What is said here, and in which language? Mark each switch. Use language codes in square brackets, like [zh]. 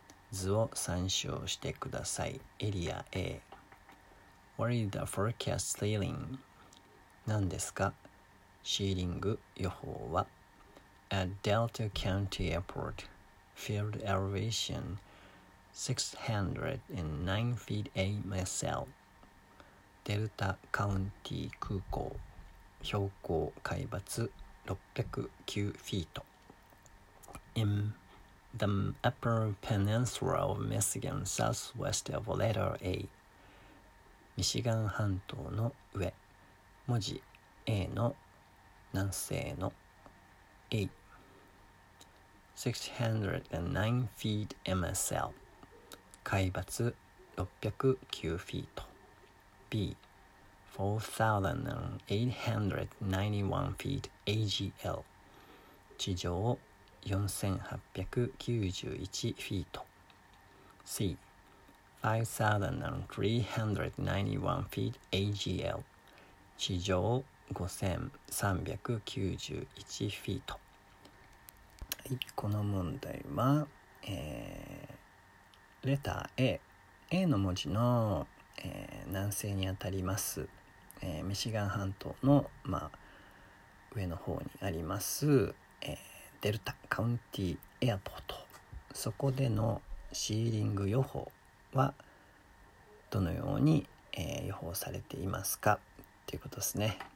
[ja] 図を参照してください。 [en] Area A. What is the forecast ceiling? [ja] 何ですか?シーリング予報は。 [en] At Delta County Airport, field elevation 609 feet MSL. [ja] Delta County 空港、標高海抜609フィート。 [en] In the upper peninsula of Michigan, southwest of letter A. [ja] ミシガン半島の上、文字 A の南西の A。 [en] 609 feet MSL [ja] 海抜609フィート [en] B 4891 feet AGL [ja] 地上4891フィート [en] C 5391 feet AGL [ja] 地上5391フィート。はい、この問題は、レター A、 A の文字の、南西にあたります、ミシガン半島の、まあ、上の方にあります、デルタカウンティエアポート、そこでのシーリング予報はどのように、予報されていますかっていうことですね。